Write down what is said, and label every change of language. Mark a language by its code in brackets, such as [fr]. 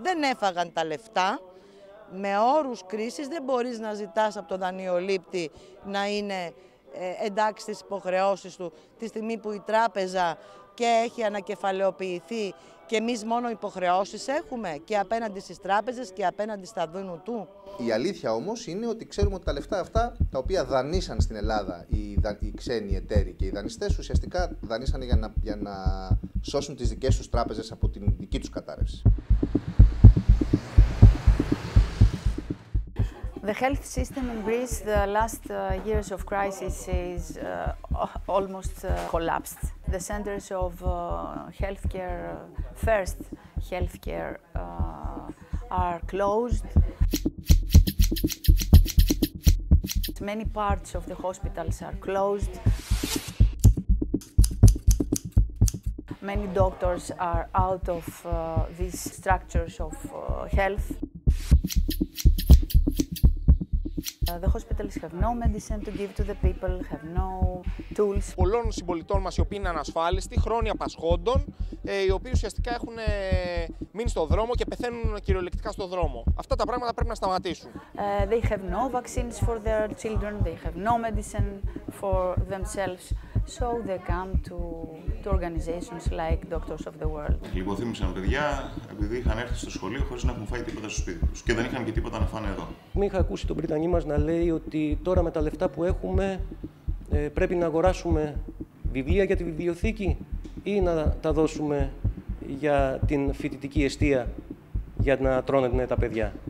[el] Δεν έφαγαν τα λεφτά. Με όρους κρίσης δεν μπορείς να ζητάς από τον δανειολήπτη να είναι εντάξει στις υποχρεώσεις του τη στιγμή που η τράπεζα και έχει ανακεφαλαιοποιηθεί και εμείς μόνο υποχρεώσεις έχουμε και απέναντι στις τράπεζες και απέναντι στα δούνου του. Η αλήθεια όμως είναι ότι ξέρουμε ότι τα λεφτά αυτά τα οποία δανείσαν στην Ελλάδα οι ξένοι εταίροι και οι δανειστές ουσιαστικά δανείσαν για να σώσουν τις δικές τους τράπεζες από την δική τους κατάρρευση. [en] The health system in Greece, the last years of crisis is almost collapsed. The centers of healthcare, first healthcare, are closed. Many parts of the hospitals are closed. Many doctors are out of these structures of health. The hospitals have no medicine to give to the people, have no tools. [el] Πολλών συμπολιτών μας οι οποίοι είναι ανασφάλιστοι, χρόνια πασχόντων, οι οποίοι ουσιαστικά έχουν μείνει στο δρόμο και πεθαίνουν κυριολεκτικά στο δρόμο. Αυτά τα πράγματα πρέπει να σταματήσουν. [en] They have no vaccines for their children, they have no medicine for themselves. So they come to organizations like Doctors of the World. [el] Λιποθύμησαν παιδιά επειδή είχαν έρθει στο σχολείο χωρίς να έχουν φάει τίποτα στο σπίτι τους και δεν είχαν και τίποτα να φάνε εδώ. Μην είχα ακούσει τον Πρίτανη μας να λέει ότι τώρα με τα λεφτά που έχουμε πρέπει να αγοράσουμε βιβλία για τη βιβλιοθήκη ή να τα δώσουμε για την φοιτητική εστία για να τρώνε τα παιδιά.